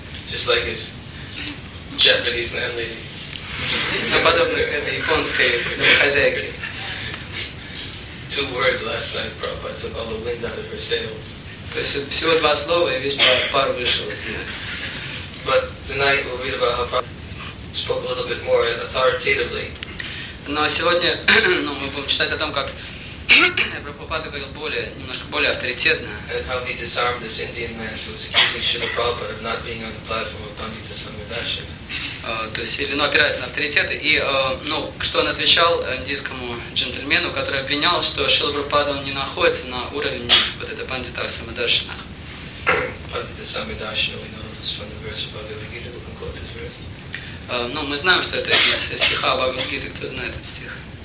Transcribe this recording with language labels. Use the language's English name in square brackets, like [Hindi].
[English] Just like his Japanese landlady. [Russian] Наподобно этой японской домохозяйке. [English] Two words last night, Prabhupada took all the wind out of her sails. [Russian] То есть всего два слова, и весь пар вышел из нее. [English] But tonight we'll read about how Prabhupada spoke a little bit more authoritatively. [Russian] Но сегодня мы будем читать о том, как Прабхупада говорил немножко более авторитетно. [English] And how he disarmed this Indian man who was accusing Srila Prabhupada of not being on the platform of Pandita Sangadasha. [Russian] То есть, или опираясь на авторитеты, и что он отвечал индийскому джентльмену, который обвинял, что Шрила Прабхупада не находится на уровне вот этой Пандита Самадаршина. [English] Пандита Самадаршина, we know this from the verse of Бхагавад-гита, we can quote this verse. [Russian] Мы знаем, что это из стиха Бхагавад-гита, кто знает этот стих?